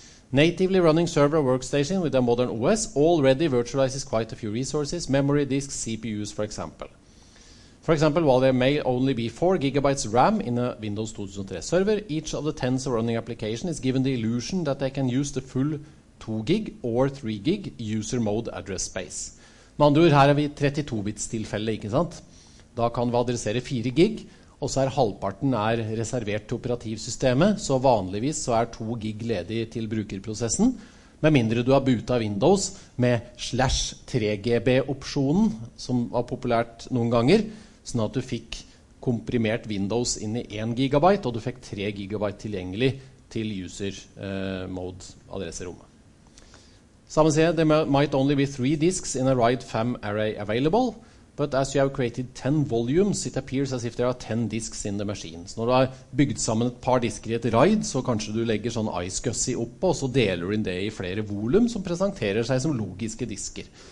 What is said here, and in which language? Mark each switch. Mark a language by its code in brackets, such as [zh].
[en] Natively running server or workstation with a modern OS already virtualizes quite a few resources, memory, disk, CPUs, for example. For example, while there may only be 4 gigabytes RAM in a Windows 2003 server, each of the tens of running applications is given the illusion that they can use the full 2 gig or 3 gig user mode address space. [no] Med andre ord, her vi 32-bits tilfelle, ikke sant? Da kan vi adressere 4 gig, og så halvparten reservert til operativsystemet, så vanligvis så 2 gig ledig til brukerprosessen, med mindre du har boota Windows med slash 3GB-opsjonen, som var populært noen ganger, sånn at du fikk komprimert Windows inn I 1 gigabyte, og du fikk 3 gigabyte tilgjengelig til user mode adresserommet. Samme sier, [en] there might only be 3 disks in a RAID 5 array available, but as you have created 10 volumes, it appears as if there are 10 disks in the machine. [no] Så når du har bygd sammen et par disker I et RAID, så kanskje du legger sånn iSCSI opp, og så deler du inn det I flere volum som presenterer seg som logiske disker.